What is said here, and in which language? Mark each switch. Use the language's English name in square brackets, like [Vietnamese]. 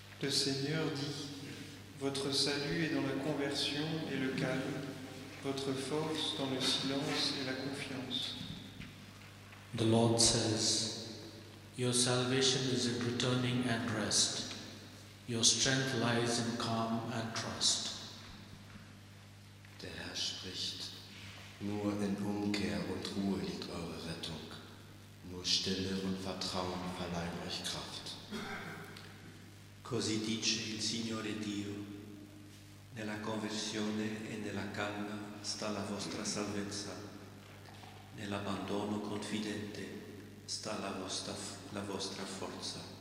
[French] Seigneur dit : Votre salut est dans la conversion et le calme, votre force dans le silence et la confiance. [English] The Lord says : Your salvation is in returning and rest. Your strength lies in calm and trust. [German] Der Herr spricht : Nur in Umkehr und Ruhe liegt eure Rettung. Nur Stille und Vertrauen verleihen euch Kraft. [Italian] Così dice il Signore Dio: Nella conversione e nella calma sta la vostra salvezza. Nell'abbandono confidente sta la vostra forza.